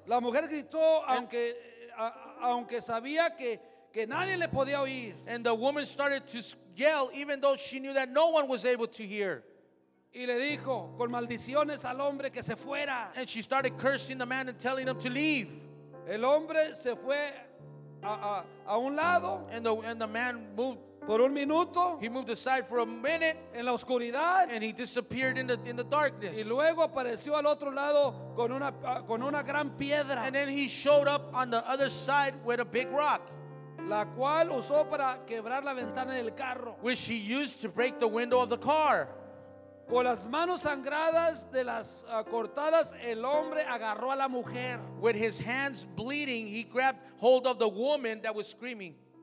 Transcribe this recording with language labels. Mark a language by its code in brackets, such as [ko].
[es] La mujer gritó aunque sabía que nadie le podía oír. [en] And the woman started to yell even though she knew that no one was able to hear. [es] Y le dijo con maldiciones al hombre que se fuera. [en] And she started cursing the man and telling him to leave. [es] El hombre se fue a un lado. [en] And the man moved. [es] Por un minuto. [en] He moved aside for a minute. [es] En la oscuridad. [en] And he disappeared in the darkness. [es] Y luego apareció al otro lado con una gran piedra. [en] And then he showed up on the other side with a big rock. [es] La cual usó para quebrar la ventana del carro. [en] Which he used to break the window of the car. [es] Con las manos sangradas de las cortadas, el hombre agarró a la mujer. [en] With his hands bleeding, he grabbed hold of the woman that was screaming.